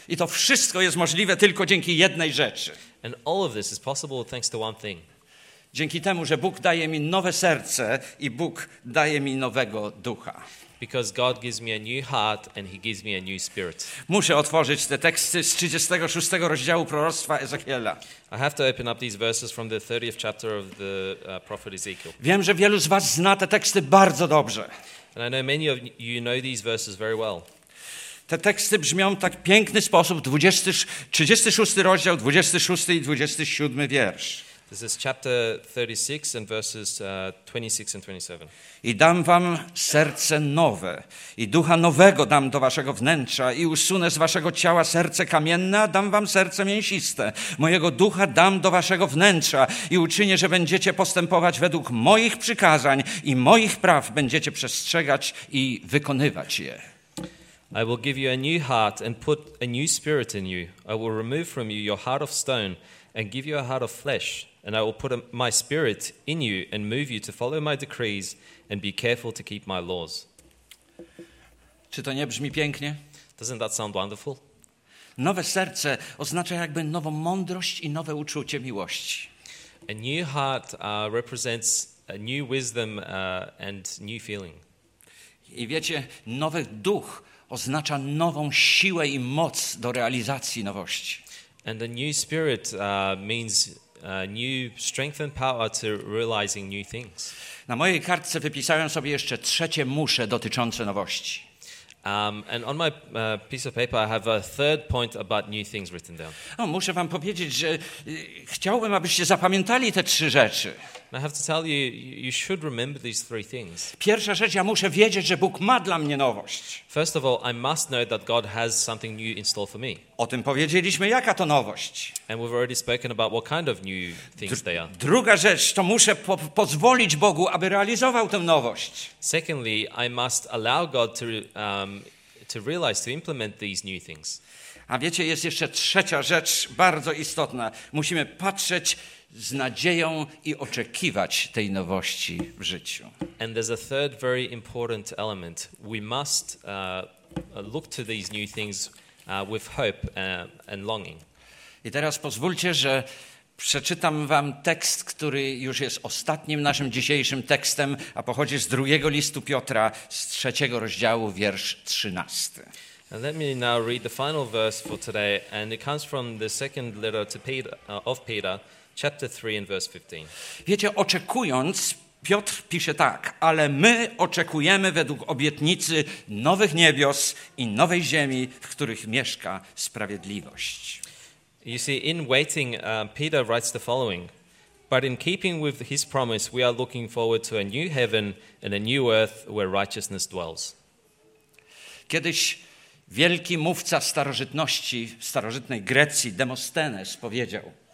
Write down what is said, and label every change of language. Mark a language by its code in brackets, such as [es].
[pl] I to wszystko jest możliwe tylko dzięki jednej rzeczy. [en] And all of this is possible thanks to one thing. [pl] Dzięki temu, że Bóg daje mi nowe serce i Bóg daje mi nowego ducha. [en] Because God gives me a new heart and he gives me a new spirit. [pl] Muszę otworzyć te teksty z 36 rozdziału proroctwa Ezechiela. [en] I have to open up these verses from the 30th chapter of the prophet Ezekiel. [pl] Wiem, że wielu z was zna te teksty bardzo dobrze. [en] And I know many of you know these verses very well. [pl] Te teksty brzmią w tak piękny sposób, 36 rozdział, 26 i 27 wiersz. [en] This is chapter 36 and verses 26 and 27. [pl] I dam wam serce nowe i ducha nowego dam do waszego wnętrza i usunę z waszego ciała serce kamienne, a dam wam serce mięsiste. Mojego ducha dam do waszego wnętrza i uczynię, że będziecie postępować według moich przykazań i moich praw będziecie przestrzegać i wykonywać je. [en] I will give you a new heart and put a new spirit in you. I will remove from you your heart of stone and give you a heart of flesh. And I will put my spirit in you and move you to follow my decrees and be careful to keep my laws. [pl] Czy to nie brzmi pięknie? [en] Doesn't that sound wonderful? [pl] Nowe serce oznacza jakby nową mądrość i nowe uczucie miłości. [en] A new heart represents a new wisdom and new feeling. [pl] I wiecie, nowy duch oznacza nową siłę i moc do realizacji nowości. [en] And a new spirit means new strength and power to realizing new things. [pl] Na mojej kartce wypisałem sobie jeszcze trzecie musze dotyczące nowości. [en] And on my piece of paper I have a third point about new things written down. [pl] No, muszę wam powiedzieć, że chciałbym, abyście zapamiętali te trzy rzeczy. [en] I have to tell you, you should remember these three things. [pl] Pierwsza rzecz, ja muszę wiedzieć, że Bóg ma dla mnie nowość. [en] First of all, I must know that God has something new in store for me. [pl] O tym powiedzieliśmy, jaka to nowość. [en] And we've already spoken about what kind of new things they are. [pl] Druga rzecz, to muszę pozwolić Bogu, aby realizował tę nowość. [en] Secondly, I must allow God to realize, to implement these new things. [pl] A wiecie, jest jeszcze trzecia rzecz, bardzo istotna. Musimy patrzeć z nadzieją i oczekiwać tej nowości w życiu. [en] And there's a third very important element. We must look to these new things with hope and longing. [pl] I teraz pozwólcie, że przeczytam wam tekst, który już jest ostatnim naszym dzisiejszym tekstem, a pochodzi z drugiego listu Piotra, z trzeciego rozdziału, wiersz 13. [en] And let me now read the final verse for today, and it comes from the second letter to Peter, of Peter. Chapter 3 and verse 15. [pl] Wiecie, oczekując, Piotr pisze tak, ale my oczekujemy według obietnicy nowych niebios i nowej ziemi, w których mieszka sprawiedliwość. [en] You see, in waiting, Peter writes the following. But in keeping with his promise, we are looking forward to a new heaven and a new earth where righteousness dwells. [pl] Kiedyś wielki mówca starożytności, starożytnej Grecji, Demostenes, powiedział,